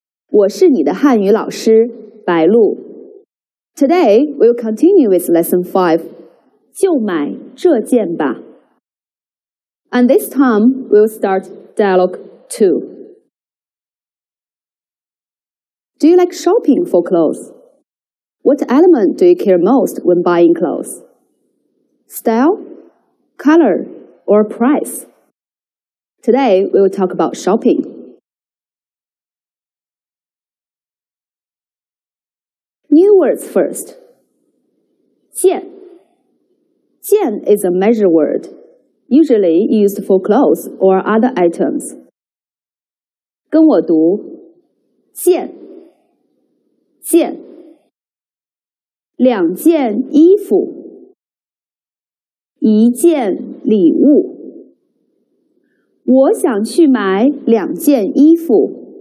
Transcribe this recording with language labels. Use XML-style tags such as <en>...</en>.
<zh>我是你的汉语老师白露。</zh> <en>Today we'll continue with Lesson 5.</en> <zh>就买这件吧。</zh> <en>And this time we'll start Dialogue 2. Do you like shopping for clothes? What element do you care most when buying clothes? Style, color, or price? Today, we will talk about shopping. New words first.</en> <zh>件</zh> <en>件 is a measure word, usually used for clothes or other items.</en> <zh>跟我读件件，两件衣服，一件礼物。我想去买两件衣服。</zh>